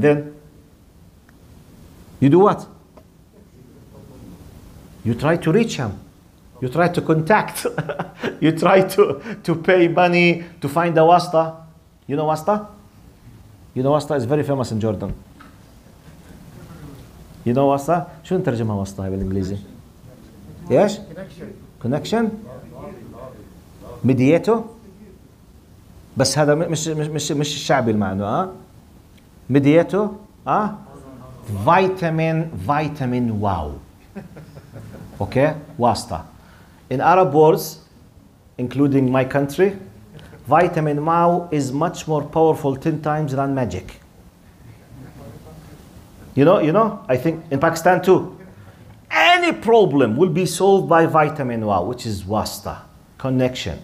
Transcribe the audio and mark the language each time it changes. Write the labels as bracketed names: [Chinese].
[English] Then, you do what? You try to reach him. You try to contact. You try to pay money to find the wasta. You know wasta? You know wasta is very famous in Jordan. You know wasta? [Arabic] شو نترجمها وسطة بالإنجليزي؟ Yes? [English] Connection? Mediator? [Arabic] بس هذا مش الشعبي المعنى ها؟ مدياتو ها؟ vitamin wow. [English] Okay, wasta. In Arab words, including my country, vitamin wow is much more powerful 10 times than magic. You know, I think in Pakistan too, any problem will be solved by vitamin wow, which is wasta, connection.